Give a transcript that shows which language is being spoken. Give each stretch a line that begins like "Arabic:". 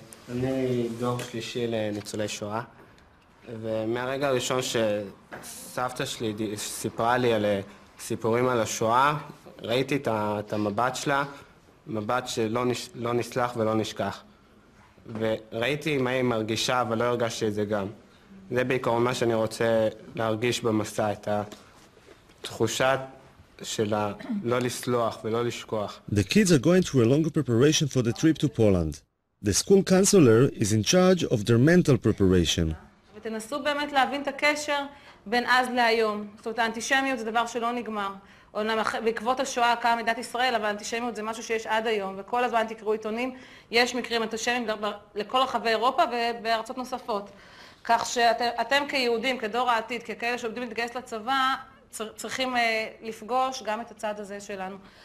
Hebrew: אני דור שלישי לניצולי שואה. ומהרגע הראשון שסבתא שלי סיפרה לי על סיפורים על השואה, ראיתי את המבט שלה. מבט שלא נסלח ולא נשכח. וראיתי מה היא מרגישה, אבל לא הרגשתי את זה גם. זה בעיקר מה שאני רוצה להרגיש במסע, את התחושה של לא לסלוח ולא לשכוח.
English: The kids are going through a longer preparation for the trip to Poland. The school counselor is in charge of their mental preparation.
Hebrew: ותנסו באמת להבין את הקשר בין אז להיום. זאת אומרת, האנטישמיות זה דבר שלא נגמר. אומנם בעקבות השואה קמה מדינת ישראל, אבל האנטישמיות זה משהו שיש עד היום, וכל הזמן תקראו עיתונים, יש מקרים אנטישמיים לכל רחבי אירופה ובארצות נוספות. כך שאתם כיהודים, כדור העתיד, ככאלה שעובדים להתגייס לצבא, צריכים לפגוש גם את הצד הזה שלנו.